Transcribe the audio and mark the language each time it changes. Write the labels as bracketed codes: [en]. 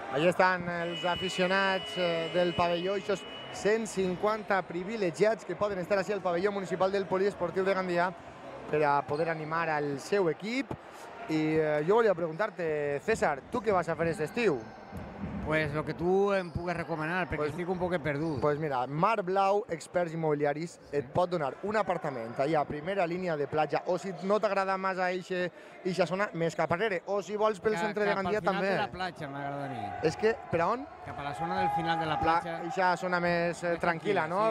[ca] Allí estan els aficionats del pavelló, aquests 150 privilegiats que poden estar així al pavelló municipal del Poliesportiu de Gandia per a poder animar al seu equip. I jo volia preguntar-te, César, tu què vas a fer aquest estiu? [es] Pues lo que tú em puedes recomanar, porque pues, estoy un poco perdido. [ca] Pues mira, Mar Blau Experts Immobiliaris, sí, et pot donar un apartament allà a primera línia de platja, o si no t'agrada més a eixa zona, més cap arrere, o si vols pel centre de Gandia també. Cap al final de la platja m'agradaria. És que, per on? Cap a la zona del final de la platja. Eixa zona més tranquil·la, no?